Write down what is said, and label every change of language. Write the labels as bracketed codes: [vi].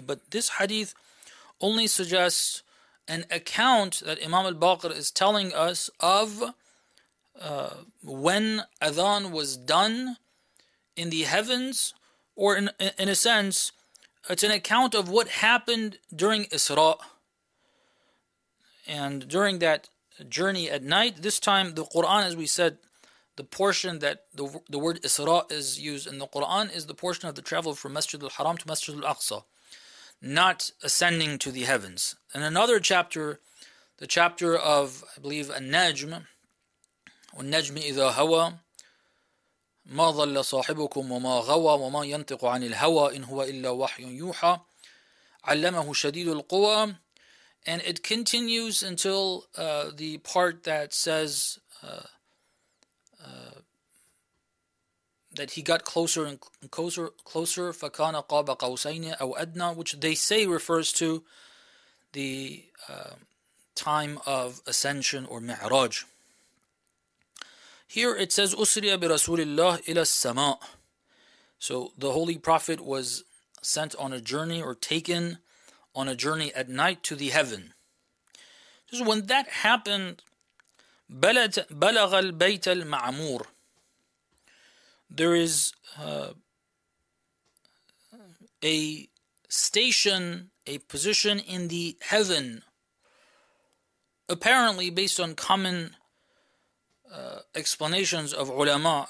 [en] But this hadith only suggests an account that Imam Al-Baqir is telling us of when Adhan was done in the heavens, or in a sense, it's an account of what happened during Isra. And during that journey at night, this time the Quran, as we said, the portion that the word Isra is used in the Quran is the portion of the travel from Masjid al-Haram to Masjid al-Aqsa, not ascending to the heavens. And another chapter, the chapter of, I believe, An-Najm, [ar] والنجم إذا هوى ما ضل صاحبكم وما غوى وما ينطق عن الهوى إن هو إلا وحي يوحى علمه شديد القوى. [en] And it continues until the part that says that he got closer and closer, [ar] فكان قاب قوسين أو أدنى, [en] which they say refers to the time of ascension or mi'raj. Here it says [ar] أُسْرِيَ بِرَسُولِ اللَّهِ إِلَى السَّمَاءِ. [en] So the Holy Prophet was sent on a journey, or taken on a journey at night to the heaven. Just when that happened, [ar] بَلَغَ الْبَيْتَ الْمَعْمُورِ. [en] There is a station, a position in the heaven, apparently based on common explanations of ulama.